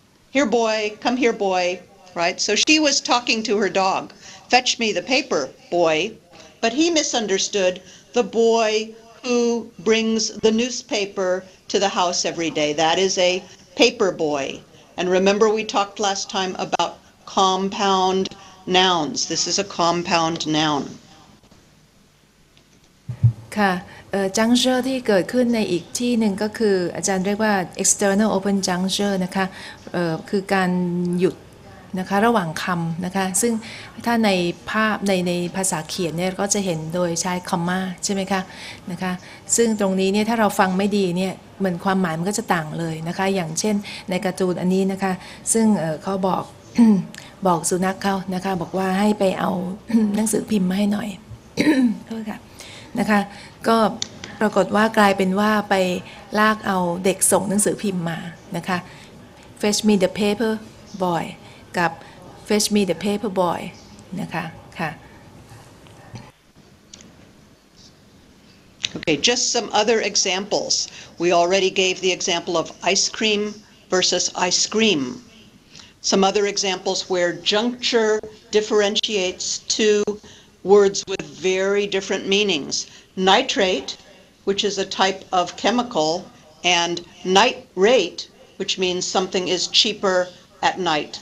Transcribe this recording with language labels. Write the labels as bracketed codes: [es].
[en] Here boy, come here boy, right? So she was talking to her dog, fetch me the paper boy, but he misunderstood the boy who brings the newspaper to the house every day. That is a paper boy. And remember we talked last time about compound nouns. This is a compound noun. [th] ค่ะจังเชอร์ที่เกิดขึ้นในอีกที่หนึ่งก็คืออาจารย์เรียกว่า external open juncture นะคะคือการหยุดนะคะระหว่างคำนะคะซึ่งถ้าในภาพในภาษาเขียนเนี่ยก็จะเห็นโดยใช้คอมมาใช่ไหมคะนะคะซึ่งตรงนี้เนี่ยถ้าเราฟังไม่ดีเนี่ยมันความหมายมันก็จะต่างเลยนะคะอย่างเช่นในการ์ตูนอันนี้นะคะซึ่งเขาบอก บอกสุนัขเขานะคะบอกว่าให้ไปเอาหนังสือพิมพ์มาให้หน่อยโทษค่ะนะคะก็ปรากฏว่ากลายเป็นว่าไปลากเอาเด็กส่งหนังสือพิมพ์มานะคะ [en] fetch me the paper boy [th] กับ fetch me the paper boy นะคะค่ะ [en] okay just some other examples we already gave the example of ice cream versus ice cream some other examples where juncture differentiates two words with very different meanings nitrate, which is a type of chemical, and nitrate, which means something is cheaper at night.